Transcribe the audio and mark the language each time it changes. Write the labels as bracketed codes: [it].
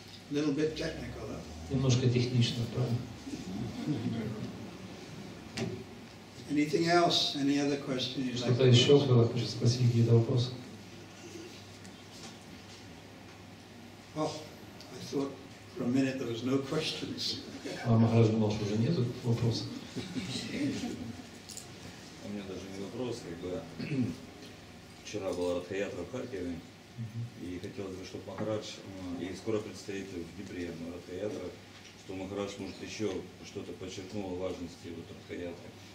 [en] Little bit technical, huh? [ru] Немножко технично, правильно? [en] Anything else? Any other question you'd like? [ru] Что-то еще было? Хочу спросить какие-то вопросы. [en] Oh, I thought for a minute there was no questions. [ru] А Махарадж думал, что уже нету вопросов. У меня даже не вопрос, как бы вчера была Радхаятра в Харькове, и хотелось бы, чтобы Махарадж и скоро предстоит в Днепре Радхаятра. Что Махарадж может еще что-то подчеркнуло важности вот Радхаятры.